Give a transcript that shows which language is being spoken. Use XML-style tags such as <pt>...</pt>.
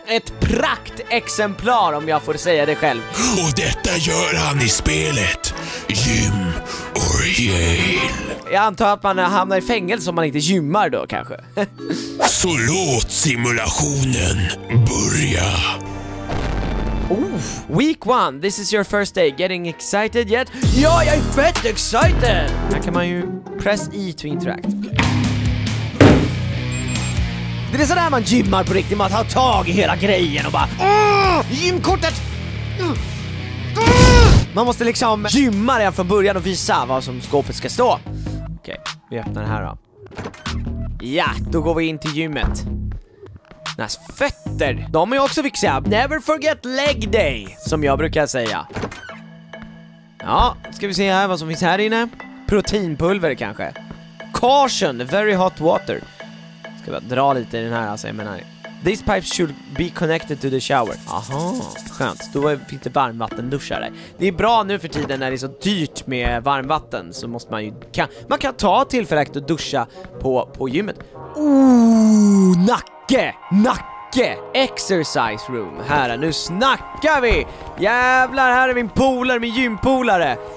<sv>Ett praktexemplar om jag får säga det själv. Och detta gör han i spelet Gym or Yale. Jag antar att man hamnar i fängelse om man inte gymmar då kanske. Så låt simulationen börja.</sv> <en>Ooh, week one, this is your first day. Getting excited yet?</en> <sv>Ja, jag är fett excited. Här kan man ju</sv> <en>press E to interact.</en> <sv>Det är sådär man gymmar på riktigt, man tar tag i hela grejen och bara gymkortet! Man måste liksom gymma redan från början och visa vad som skåpet ska stå. Okej, vi öppnar det här då. Ja, då går vi in till gymmet. Näs fötter, de är också fixiga.</sv> <en>Never forget leg day,</en> <sv>som jag brukar säga. Ja, ska vi se här vad som finns här inne. Proteinpulver kanske.</sv> <en>Caution, very hot water.</en> <sv>Jag ska dra lite i den här, alltså jag menar.</sv> <en>These pipes should be connected to the shower.</en> <sv>Aha, skönt. Då finns det varmvattenduschar där. Det är bra nu för tiden när det är så dyrt med varmvatten. Så måste man ju, man kan ta tillfället och duscha på gymmet. Ooh, nacke, nacke.</sv> <en>Exercise room,</en> <sv>här nu snackar vi. Jävlar, här är min polare, min gympolare.</sv>